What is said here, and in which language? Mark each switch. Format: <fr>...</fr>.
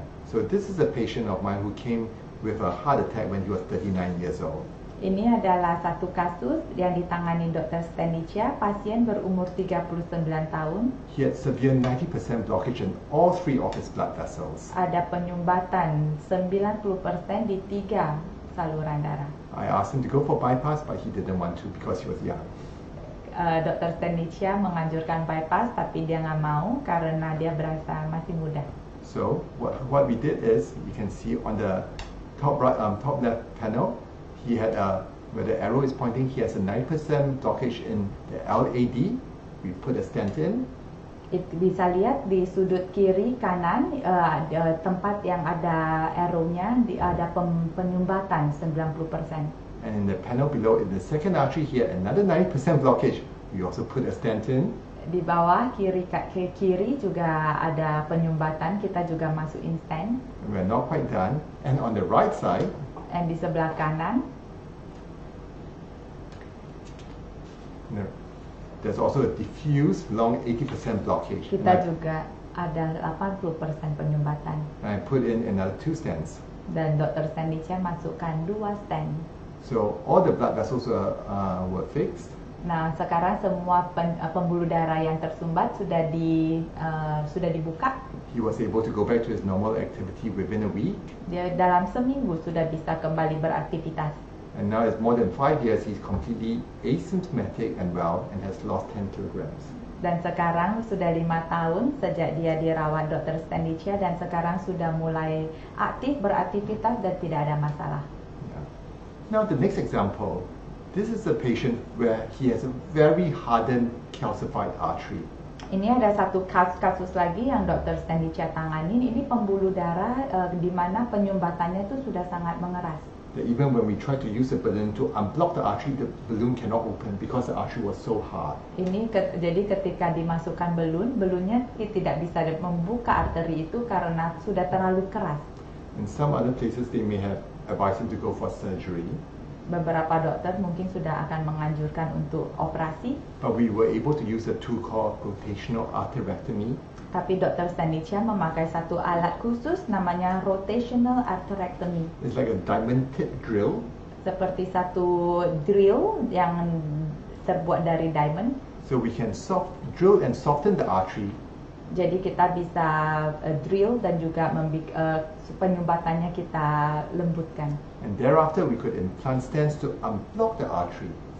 <en>So this is a patient of mine who came with a heart attack when he was 39 years old.</en> <id>Ini adalah satu kasus yang ditangani Dr. Stanisha, pasien berumur 39 tahun.</id> <en>He had severe 90% blockage in all three of his blood vessels.</en> <id>Ada penyumbatan 90% di tiga saluran darah.</id> <en>I asked him to go for bypass, but he didn't want to because he was young.</en> <id>Dr. Stanisha menganjurkan bypass, tapi dia nggak mau karena dia berasa masih muda.</id> <en>So what we did is, you can see on the top left panel, he had a where the arrow is pointing. He has a 90% blockage in the LAD. We put a stent in.</en> <id>It bisa lihat di sudut kiri kanan ada tempat yang ada arrow-nya, ada penyumbatan 90%.</id> <en>And in the panel below, in the second artery, he had another 90% blockage. We also put a stent in.</en> <id>Di bawah kiri juga ada penyumbatan. Kita juga masukin stent.</id> <en>We're not quite done. And on the right side.</en> <id>And di sebelah kanan.</id> <en>There's also a diffuse long 80% blockage.</en> <id>Kita juga ada 80% penyumbatan.</id> <en>And I put in another two stents.</en> <id>Dan Dr. Stanisha masukkan dua stent.</id> <en>So all the blood vessels were fixed.</en> <id>Nah, sekarang semua pembuluh darah yang tersumbat sudah dibuka.</id> <en>He was able to go back to his normal activity within a week.</en> <id>Dia dalam seminggu sudah bisa kembali beraktivitas.</id> <en>And now it's more than 5 years, he's completely asymptomatic and well and has lost 10 kilograms.</en> <id>Dan sekarang sudah 5 tahun sejak dia dirawat Dr. Stanicia dan sekarang sudah mulai aktif, beraktivitas dan tidak ada masalah.</id> <en>Yeah. Now the next example. This is a patient where he has a very hardened calcified artery.</en> <id>Ini ada satu kasus lagi yang Dr. Stanicia tanganin. Ini pembuluh darah di mana penyumbatannya itu sudah sangat mengeras.</id> <en>That even when we try to use the balloon to unblock the artery, the balloon cannot open because the artery was so hard.</en> <id>Ini jadi ketika dimasukkan balloonnya tidak bisa membuka arteri itu karena sudah terlalu keras.</id> <en>In some other places, they may have advised him to go for surgery.</en> <id>Beberapa dokter mungkin sudah akan menganjurkan untuk operasi.</id> <en>But we were able to use a tool called rotational arterectomy.</en> <id>Tapi Dr. Stanicia memakai satu alat khusus namanya rotational arterectomy.</id> <en>It's like a diamond tip drill.</en> <id>Seperti satu drill yang terbuat dari diamond.</id> <en>So we can drill and soften the artery.</en> <id>Jadi kita bisa drill dan juga penyumbatannya kita lembutkan.</id> <en>And thereafter we could implant stents to unblock the artery.</en>